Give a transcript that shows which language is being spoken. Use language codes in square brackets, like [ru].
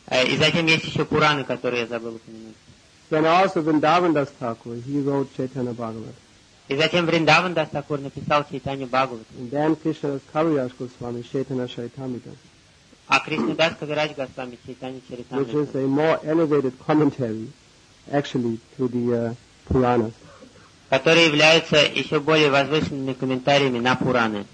[ru] И затем есть еще Пураны, которые я забыл упомянуть. [en] Then also Vrindavan Das Thakur, he wrote Chaitanya Bhagavat. [ru] И затем Vrindavan Das Thakur написал Chaitanya Bhagavat. [en] And then Krishna Kaviraj Goswami, Chaitanya Charitamrita. [ru] А Кришнадас Кавирадж Госвами Чайтанья Чаритамрита. [en] Which is a more elevated commentary, actually, to the Puranas. [ru] Которые являются еще более возвышенными комментариями на Пураны.